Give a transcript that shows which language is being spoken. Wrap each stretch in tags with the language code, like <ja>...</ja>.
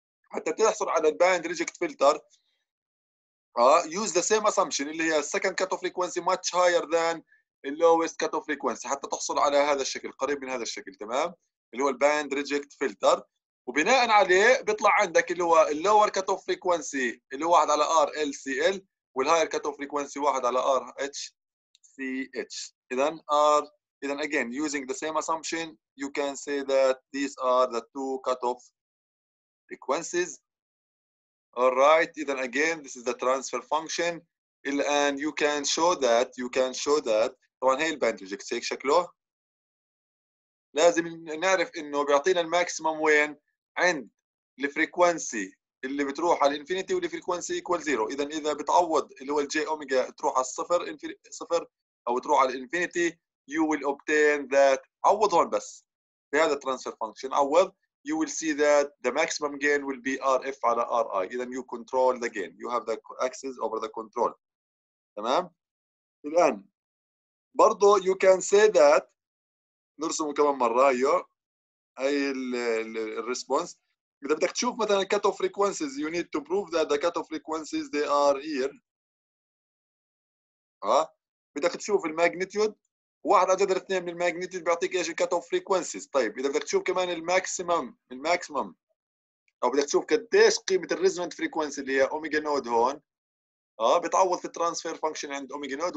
<ar>حتى تحصل على الباند ريجكت فلتر</ar> <en>use the same assumption</en> <ar>اللي هي</ar> <en>السكند cut off frequency</en> <ar>ماتش هاير ذان اللوست كات اوف فريكوانسي حتى تحصل على هذا الشكل، قريب من هذا الشكل تمام، اللي هو الباند ريجكت فلتر. وبناء عليه بيطلع عندك اللي هو اللور كات اوف فريكوانسي اللي هو 1 على ار ال سي ال، والهاير كات اوف فريكوانسي 1 على ار اتش CH.</ar> <en>Then R. Then again, using the same assumption, you can say that these are the two cutoff frequencies. All right. Then again, this is the transfer function. And you can show that. You can show that.</en> <ar>طبعا هي الباند ريجكت شكله. لازم نعرف انه بيعطينا الماكسيمم وين عند الفريكوانسي اللي بتروح على الانفينيتي والفريكوانسي ايكوال زيرو. اذا اذا بتعوض اللي هو الجي اوميجا تروح على الصفر صفر او تروح على الانفينيتي</ar> <en>you will obtain that</en> <ar>عوض هون بس في هذا</ar> <en>transfer function</en> <ar>عوض</ar> <en>you will see that the maximum gain will be rf على ri</en> <ar>اذا</ar> <en>you control the gain you have the access over the control.</en> <ar>تمام. الان برضو</ar> <en>you can say that</en> <ar>نرسمه كمان مره هيو هي الريسبونس. اذا بدك تشوف مثلا</ar> <en>cut off frequencies you need to prove that the cut off frequencies they are here.</en> <ar>ها بدك تشوف الماجنيتيود واحد على جذر اثنين من الماجنيتيود بيعطيك ايش الكات اوف فريكوانسيز. طيب اذا بدك تشوف كمان الماكسيمم او بدك تشوف قديش قيمه الريزونانت فريكوانسي اللي هي اوميجا نود هون بتعوض في الترانسفير فانكشن عند اوميجا نود.</ar>